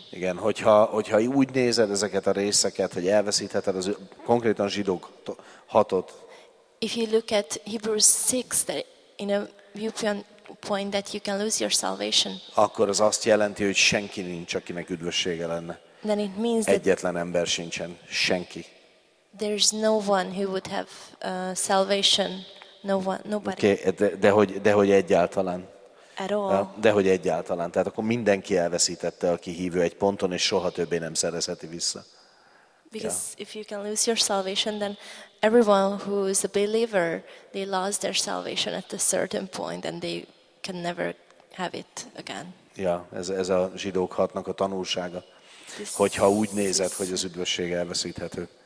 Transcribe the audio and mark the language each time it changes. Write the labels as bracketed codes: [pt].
[hu] Igen, hogyha úgy nézed ezeket a részeket, hogy elveszítheted az konkrétan zsidók hatot. [en] If you look at Hebrews 6 that in a viewpoint that you can lose your salvation. [hu] Akkor az azt jelenti, hogy senki nincs, akinek üdvössége lenne. [en] Then it means that [hu] egyetlen ember sincsen, senki. [en] There's no one who would have salvation, no one, nobody. [hu] Okay, de hogy egyáltalán. [en] At all. [hu] De hogy egyáltalán. Tehát akkor mindenki elveszítette, aki hívő egy ponton, és soha többé nem szerezheti vissza. [en] Because yeah. If you can lose your salvation, then everyone who is a believer, they lost their salvation at a certain point, and they can never have it again. [hu] Ja, ez a zsidók hatnak a tanulsága. Hogyha úgy nézed, hogy az üdvösség elveszíthető.